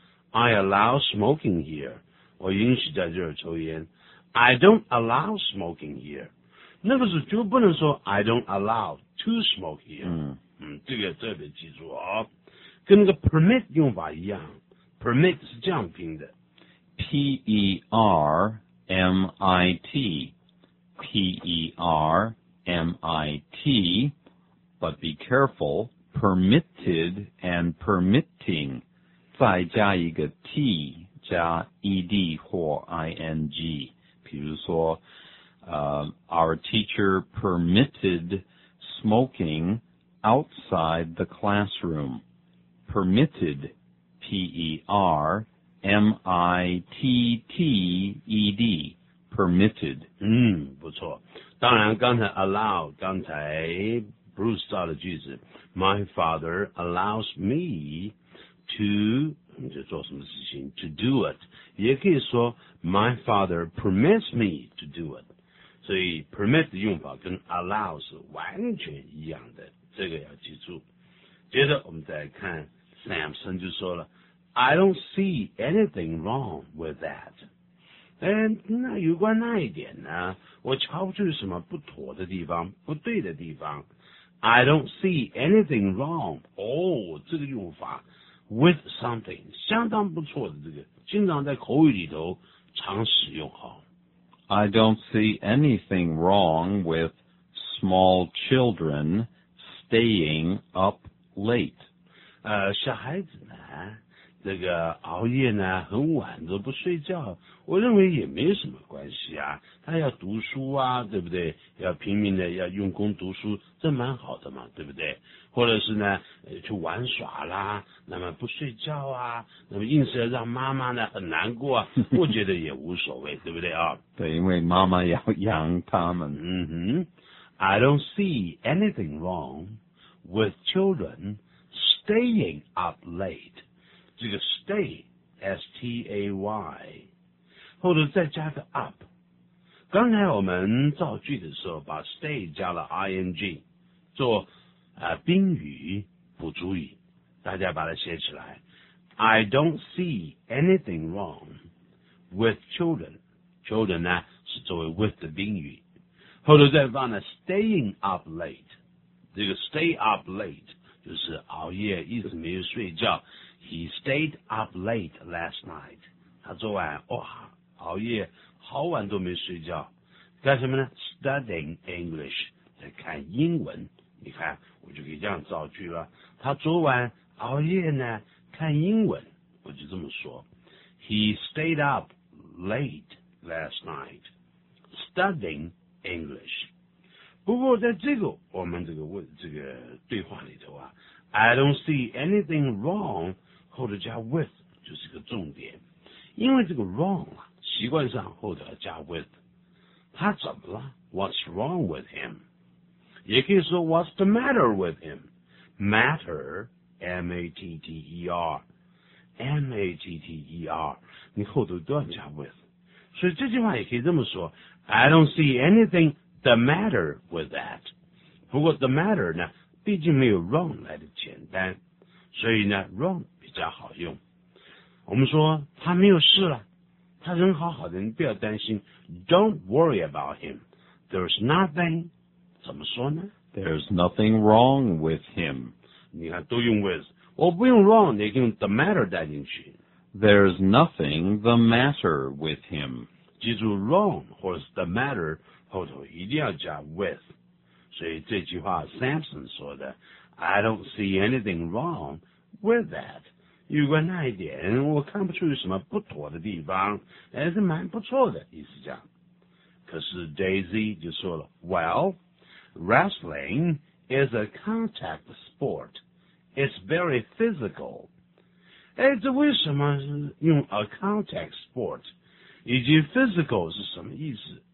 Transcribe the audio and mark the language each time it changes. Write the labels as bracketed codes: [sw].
[en] I allow smoking here, [zh] 我允许在这儿抽烟。 [en] I don't allow smoking here, [zh] 那个时候就不能说 [en] I don't allow to smoke here、嗯 [zh] 嗯、这个特别记住哦，跟那个 permit 用法一样， permit 是这样拼的， [en] P-E-R-M-I-T P-E-R-M-I-T, but be careful, permitted and permitting, [zh] 再加一个 [en] T, 加 E-D 或 I-N-G, [zh] 比如说、 [en] our teacher permitted smoking outside the classroom. Permitted, P-E-R-M-I-T-T-E-D, permitted. [zh] 嗯，不错。当然刚才 allow, 刚才 Bruce 造的句子， [en] My father allows me to, [zh] 你就做什么事情， [en] to do it. [zh] 也可以说 [en] My father permits me to do it. [zh] 所以 permit 的用法跟 allow 是完全一样的，这个要记住。接着我们再看Samson 就说了 [en] I don't see anything wrong with that. [zh] 那有关那一点呢，我瞧不出什么不妥的地方，不对的地方。 [en] I don't see anything wrong. [zh] 哦，这个用法 with something 相当不错的，这个经常在口语里头常使用。好， [en] I don't see anything wrong with small children staying up late. [zh] 小孩子呢，这个熬夜呢很晚都不睡觉，我认为也没什么关系啊，他要读书啊，对不对？要拼命的要用功读书，这蛮好的嘛，对不对？或者是呢去玩耍啦，那么不睡觉啊，那么硬是要让妈妈呢很难过啊，我觉得也无所谓，对不对啊？对，因为妈妈要养他们。 [en] 嗯哼， I don't see anything wrong with childrenStaying up late, 这个 stay, S-T-A-Y, [zh] 后头再加个 [en] up. [zh] 刚才我们造句的时候把 stay 加了 ing, 做、宾语补足语，大家把它写起来。 [en] I don't see anything wrong with children. [zh] Children 呢是作为 with 的宾语。后头再放了 [en] staying up late, [zh] 这个 stay up late,就是熬夜一直没有睡觉。 [en] He stayed up late last night. [zh] 他昨晚哇熬夜好晚都没睡觉。干什么呢？ [en] Studying English, [zh] 在看英文你看，我就可以这样造句了。他昨晚熬夜呢，看英文，我就这么说。 [en] He stayed up late last night studying English. [zh] 不过在这个我们这个对话里头啊 ，I don't see anything wrong 后头加 with 就是个重点，因为这个 wrong 啊，习惯上后头加 with， 他怎么了 ？ [en] What's wrong with him？ [zh] 也可以说 [en] What's the matter with him? Matter, M-A-T-T-E-R, M-A-T-T-E-R, [zh] 你后头都要加 [en] with。 [zh] 所以这句话也可以这么说 [en] I don't see anything the matter with that。 [zh] 不过 the matter 呢，毕竟没有 wrong 来的简单，所以呢 wrong 比较好用。我们说他没有事了，他人好好的，你不要担心。 [en] Don't worry about him. There's nothing [zh] 怎么说呢 [en] There's nothing wrong with him. [zh] 你看都用 with， 我不用 wrong， 你用 the matter 带进去。 [en] There's nothing the matter with him. [zh] 记住 wrong 或者 the matter 后头一定要加 with。所以这句话 Samson 说的 [en] ，I don't see anything wrong with that。 [zh] 有关那一点，我看不出有什么不妥的地方，还是蛮不错的，意思讲。可是 Daisy 就说了 [en] ，Well。Wrestling is a contact sport. It's very physical. [zh] 哎，这为什么用 a contact sport 以及 physical 是什么意思？